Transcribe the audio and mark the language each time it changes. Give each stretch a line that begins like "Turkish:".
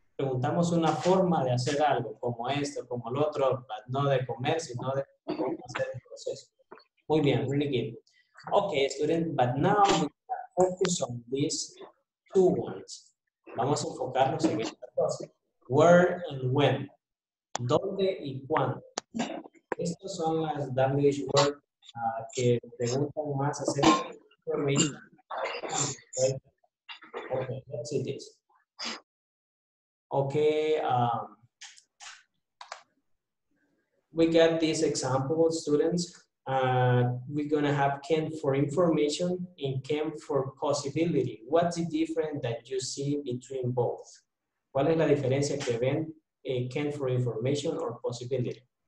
Spanish: Preguntamos una forma de hacer algo, como esto, como el otro, no de comer, sino de cómo hacer el proceso. Muy bien,
English: really good. Okay, student, but now we focus on these two ones.
Spanish: Vamos a enfocarnos en estas dos.
English: Where and when.
Spanish: ¿Dónde y cuándo? Estas son las WH words que preguntan más acerca de information.
English: Okay, let's see this. Okay, we got these examples, students. We're gonna have Can for information and Can for possibility. What's the difference that you see between both?
Spanish: ¿Cuál es la diferencia que ven en Can
English: for information or possibility?